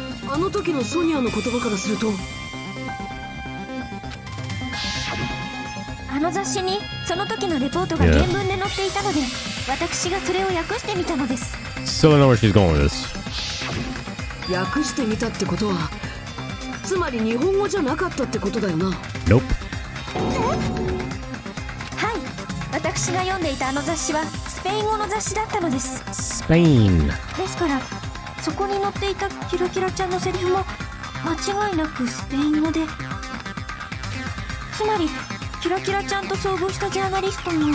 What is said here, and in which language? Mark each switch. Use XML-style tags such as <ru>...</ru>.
<ja>あの時のソニアの言葉からすると。あの雑誌にその時のレポートが原文で載っていたので、私がそれを訳してみたのです。</ja> <en>Still don't know where she's going with this.</en> <ja>訳してみたってことは、つまり日本語じゃなかったってことだよな。</ja> <en>Nope.</en> <ja>はい、私が読んでいたあの雑誌はスペイン語の雑誌だったのです。スペイン。ですから、そこに載っていたキラキラちゃんのセリフも間違いなくスペイン語で、つまりキラキラちゃんと遭遇したジャーナリストも、</ja>